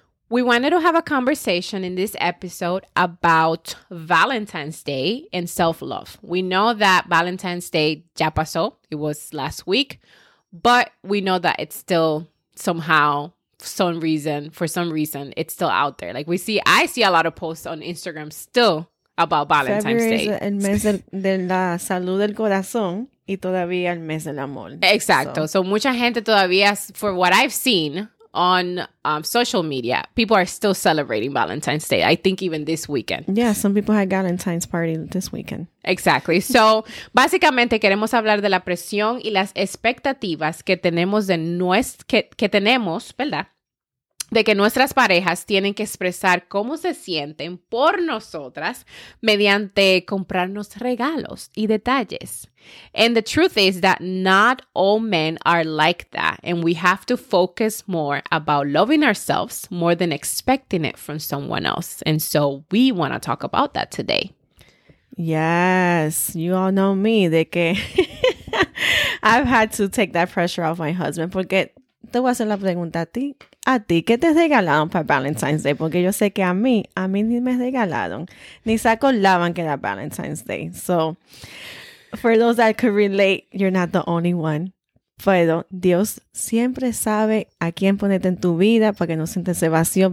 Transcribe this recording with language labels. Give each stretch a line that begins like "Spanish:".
English: We wanted to have a conversation in this episode about Valentine's Day and self-love. We know that Valentine's Day
Spanish: ya pasó.
English: It was last week. But we know that it's still somehow, for some reason, it's still out there. Like I see a lot of posts on Instagram still about Valentine's February Day.
Spanish: Es el mes de la salud del corazón y todavía el mes del amor. Exacto.
English: So
Spanish: mucha gente todavía,
English: for what I've seen on social media, people are still celebrating Valentine's Day. I think even this weekend. Yeah, some people had Valentine's party this weekend. Exactly.
Spanish: So, básicamente queremos hablar de la presión y las expectativas que tenemos de que tenemos, ¿verdad? De que nuestras parejas tienen que expresar cómo se sienten por nosotras mediante comprarnos regalos y detalles.
English: And the truth is that not all men are like that, and we have to focus more about loving ourselves more than expecting it from someone else. And so we want to talk about that today. Yes, you all know me, de que I've had to take that pressure off my husband,
Spanish: porque te voy a hacer la pregunta a ti. ¿A ti qué te regalaron para Valentine's Day? Porque yo sé que a mí ni me regalaron. Ni se acordaban que era Valentine's Day.
English: So, for those that could relate, you're not the only one.
Spanish: Pero Dios siempre sabe a quién ponerte en tu vida para que no sientas ese vacío.